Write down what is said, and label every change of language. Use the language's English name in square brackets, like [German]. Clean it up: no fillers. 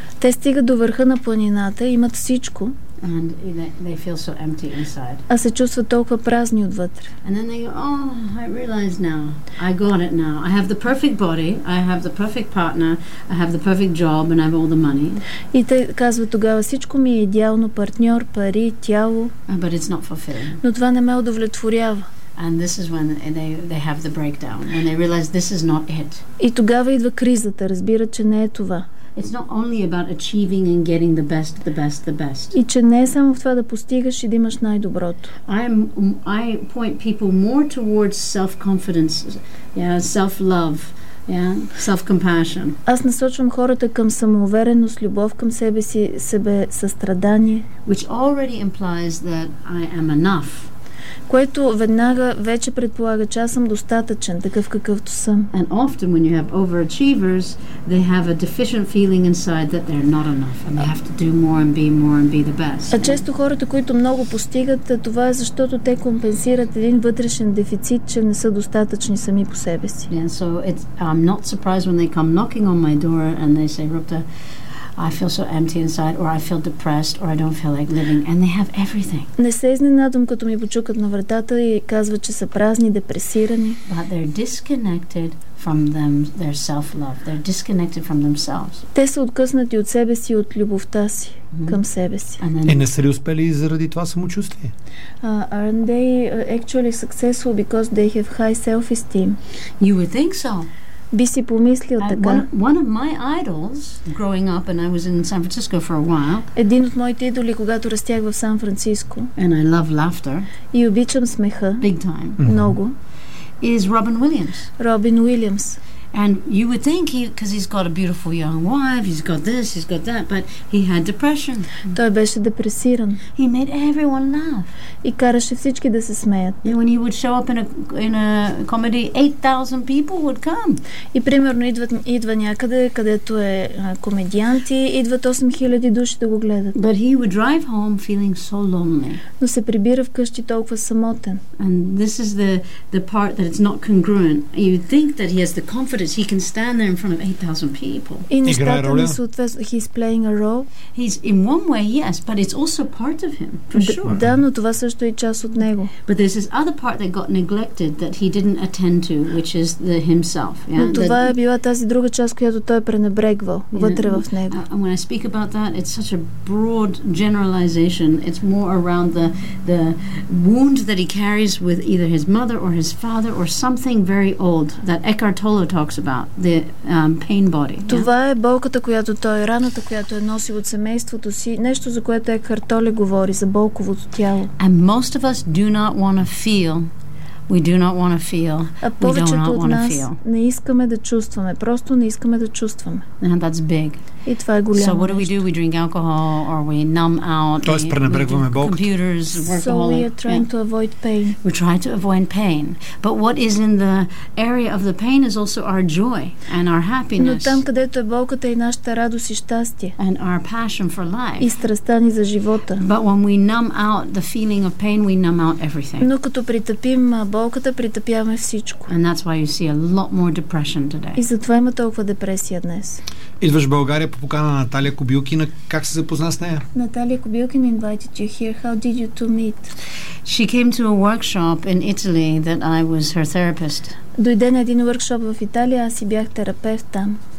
[Bulgarian] Те стигат до върха на планината, имат всичко. [English] And they feel so empty inside. [Bulgarian] А се чувстват толкова празни отвътре. [English] And then they go, oh, I realize now. I got it now. I have the perfect body, I have the perfect partner, I have the perfect job and I have all the money. [Bulgarian] И те казват тогава, всичко ми е идеално, партньор, пари, тяло. [English] But it's not fulfilling. [Bulgarian] Но това не ме удовлетворява. [English] And this is when they have the breakdown and they realize this is not it. [Bulgarian] И тогава идва кризата, разбират, че не е това. [English] It's not only about achieving and getting the best, the best, the best. [Bulgarian] И че не е само в това да постигаш и да имаш най-доброто. [English] I point people more towards self-confidence, yeah, self-love, yeah, self-compassion. [Bulgarian] Аз насочвам хората към самоувереност, любов към себе си, себе състрадание, [English] which already implies that I am enough. [Bulgarian] Което веднага вече предполага, че аз съм достатъчен, такъв какъвто съм. [English] And often when you have overachievers, they have a deficient feeling inside that they're not enough and they have to do more and be more and be the best. [Bulgarian] А често хората, които много постигат, това е защото те компенсират един вътрешен дефицит, че не са достатъчни сами по себе си. [English] And so I'm not surprised when they come knocking on my door and they say, Rupta, I feel so empty inside or I feel depressed or I don't feel like living and they have everything. [Bulgarian] Не се изненадвам, като ми почукат на вратата и казват, че са празни, депресирани. [English] But they're disconnected from them, their self-love. They're disconnected from themselves. [Bulgarian] Те са откъснати от себе си, от любовта си към себе си. И не са ли успели заради това самочувствие? [English] Aren't they actually successful because they have high self-esteem? You would think so. [Bulgarian] Би си помислил така. [English] One of my idols growing up and I was in San Francisco for a while. [Bulgarian] Един от моите идоли, когато растях в Сан Франциско. [English] And I love laughter. [Bulgarian] И обичам смеха. [English] Big time. [Bulgarian] Много. [English] Is Robin Williams. Robin Williams. And you would think he, because he's got a beautiful young wife, he's got this, he's got that, but he had depression. [Bulgarian] Той беше депресиран. [English] He made everyone laugh. [Bulgarian] И караше всички да се смеят. [English] And when he would show up in a comedy, 8,000 people would come. [Bulgarian] И примерно идва някъде, където е комедианти, идват 8,000 души да го гледат. [English] But he would drive home feeling so lonely. [Bulgarian] Но се прибира вкъщи толкова самотен. [English] And this is the part that it's not congruent. You think that he has the confidence. He can stand there in front of 8,000 people. [Bulgarian] И нещата не съответстват. [English] He's playing a role. He's in one way, yes, but it's also part of him, for sure. [Bulgarian] Да, но това също е част от него. [English] But there's this other part that got neglected that he didn't attend to, which is the himself. Yeah? [Bulgarian] Но това е била тази друга част, която той пренебрегвал вътре в него. [English] And when I speak about that, it's such a broad generalization. It's more around the wound that he carries with either his mother or his father or something very old that Eckhart Tolle talks about, the pain body. Yeah? [Bulgarian] Това е болката, която той, раната, която е носил от семейството си, нещо, за което Екхарт Толе говори, за болковото тяло. [English] And most of us do not want to feel. We do not want to feel. We don't want to feel. [Bulgarian] А повечето от нас не искаме да чувстваме. Просто не искаме да чувстваме. [English] And that's big. [Bulgarian] И това е голямо. [English] So what do? We drink alcohol or we numb out. [Bulgarian] Тоест пренебрегваме болката. [English] Computers, workaholic. So we are trying to avoid pain. We try to avoid pain. But what is in the area of the pain is also our joy and our happiness. [Bulgarian] Но там, където е болката, е и нашата радост и щастие. [English] And our passion for life. [Bulgarian] И страстта ни за живота. [English] But when we numb out the feeling of pain, we numb out everything. [Bulgarian] Но като притъпим болката, притъпяваме всичко. [English] And that's why you see a lot more depression today. [Bulgarian] И затова има толкова депресия днес. Идваш в България по покана на Наталия Кобилкина. Как се запозна с нея? [English] Наталия Кобилкина invited you here. How did you two meet? She came to a workshop in Italy that I was her therapist. [Bulgarian] Дойде на един workshop в Италия, аз си бях терапевт там.